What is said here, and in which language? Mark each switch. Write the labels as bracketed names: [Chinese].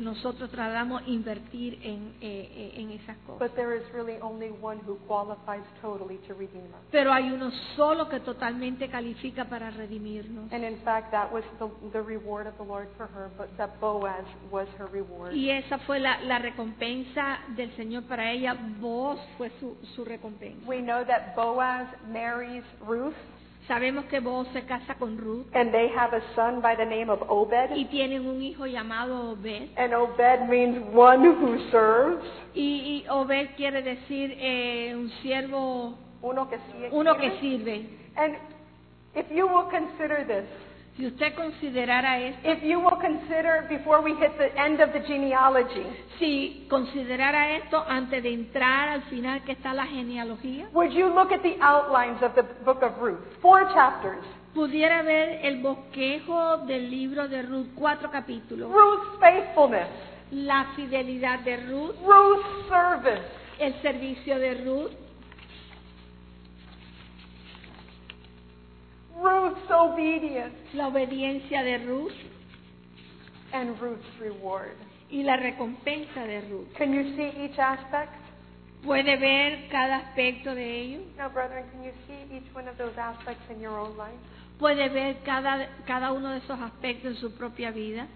[Spanish] Nosotros tratamos de invertir en esas cosas. [English] But there is really only one who qualifies totally to redeem us. [Spanish] Pero hay uno solo que totalmente califica para redimirnos. [English] And in fact, that was the reward of the Lord for her, but that Boaz was her reward. [Spanish] Y esa fue la recompensa del Señor para ella. Boaz fue su recompensa. [English] We know that Boaz marries Ruth. [Spanish] Sabemos que Boaz se casa con Ruth. [English] And they have a son by the name of Obed. [Spanish] Y tienen un hijo llamado Obed. [English] And Obed means one who serves. [Spanish] Y Obed quiere decir un siervo. Uno que sirve. [English] And if you will consider this. [Spanish] Si usted considerara esto. [English] If you will consider before we hit the end of the genealogy. [Spanish] Si considerara esto antes de entrar al final que está la genealogía. [English] Would you look at the outlines of the book of Ruth? 4 chapters. [Spanish] Pudiera ver el bosquejo del libro de Ruth, 4 capítulos. [English] Ruth's faithfulness. [Spanish] La fidelidad de Ruth. [English] Ruth's service. [Spanish] El servicio de Ruth. [English] Ruth's obedience. [Spanish] La obediencia de Ruth. [English] And Ruth's reward. [Spanish] Y la recompensa de Ruth. [English] Can you see each aspect? [Spanish] ¿Puede ver cada aspecto de ello? [English] Now, brethren, can you see each one of those aspects in your own life? [Spanish] ¿Puede ver cada uno de esos aspectos en su propia vida?